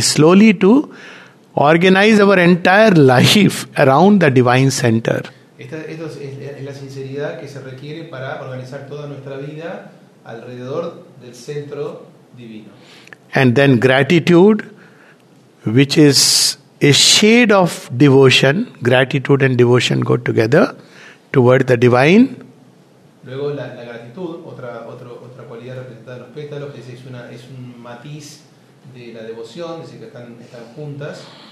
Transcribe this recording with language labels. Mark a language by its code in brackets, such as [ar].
[en] Slowly to organize our entire life around the divine center. [es] Esta es la sinceridad que se requiere para organizar toda nuestra vida alrededor del centro divino. [en] And then gratitude, which is a shade of devotion. Gratitude and devotion go together. Toward the divine. [es] Luego la gratitud, otra cualidad representada en los pétalos, que es un matiz de la devoción, es decir, que están juntas.